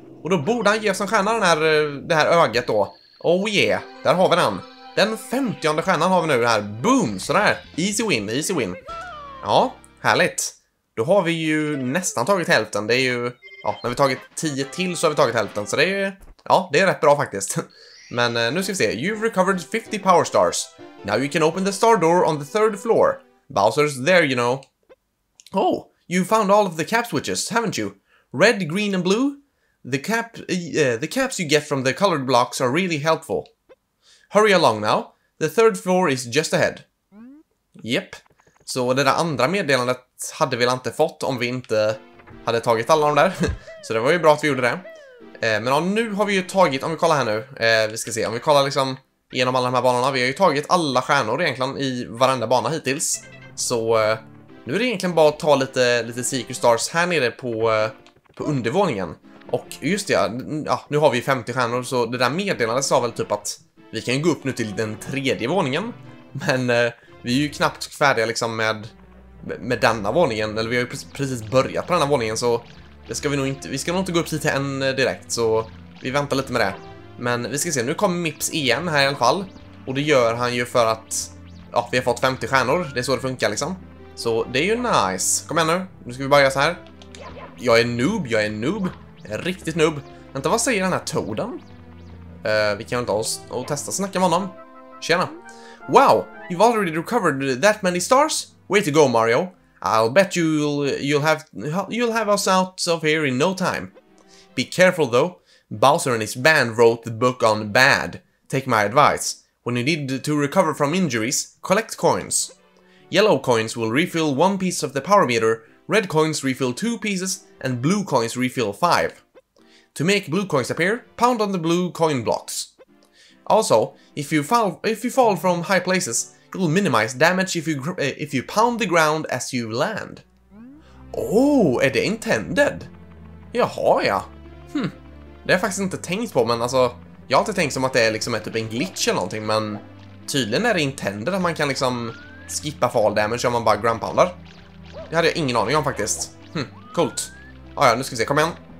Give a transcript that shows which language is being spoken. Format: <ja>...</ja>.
<sv>Och då borde han ge oss en stjärna det här ögat då.</sv> <en>Oh yeah,</en> <sv>där har vi den. Den 50:e stjärnan har vi nu här. Boom, sådär.</sv> <en>Easy win.</en> <sv>Ja, härligt. Då har vi ju nästan tagit hälften. Det är ju, ja, när vi tagit 10 till så har vi tagit hälften. Så det är ju, ja, det är rätt bra faktiskt. Men nu ska vi se.</sv> <en>You've recovered 50 power stars. Now you can open the star door on the third floor. Bowser's there, you know. Oh. You found all of the cap switches, haven't you? Red, green and blue? The caps you get from the colored blocks are really helpful. Hurry along now. The third floor is just ahead. Yep.</en> <sv>Så det där andra meddelandet hade vi inte fått om vi inte hade tagit alla de där. Så det var ju bra att vi gjorde det. Men nu har vi ju tagit, om vi kollar här nu. Vi ska se, om vi kollar liksom genom alla de här banorna. Vi har ju tagit alla stjärnor egentligen i varenda bana hittills. Så... nu är det egentligen bara att ta lite Secret Stars här nere på undervåningen. Och just det, ja, nu har vi 50 stjärnor så det där meddelandet sa väl typ att vi kan gå upp nu till den tredje våningen. Men vi är ju knappt färdiga liksom med denna våningen. Eller vi har ju precis börjat på denna våningen så det ska vi ska nog inte gå upp hit än direkt. Så vi väntar lite med det. Men vi ska se, nu kommer Mips igen här i alla fall. Och det gör han ju för att ja, vi har fått 50 stjärnor, det är så det funkar liksom. Så det är ju nice. Kom igen nu. Nu ska vi bara göra så här. jag är noob. Jag är riktigt noob. Vänta, vad säger den här Toaden? Vi kan ta oss och testa att snacka med honom. Tjena.</sv> <en>Wow, you've already recovered that many stars? Way to go, Mario. I'll bet you'll have us out of here in no time. Be careful though. Bowser and his band wrote the book on bad. Take my advice. When you need to recover from injuries, collect coins. Yellow coins will refill one piece of the power meter, red coins refill two pieces, and blue coins refill five. To make blue coins appear, pound on the blue coin blocks. Also, if you fall from high places, you'll minimize damage if you pound the ground as you land.</en> <sv>Oh, är det intended? Jaha, ja. Det har jag faktiskt inte tänkt på, men alltså, jag har inte tänkt som att det är liksom typ en glitch eller någonting, men tydligen är det intended att man kan liksom skippa fall damage om man bara ground poundar. Det hade jag ingen aning om faktiskt. Coolt. Ja, nu ska vi se, kom igen.</sv>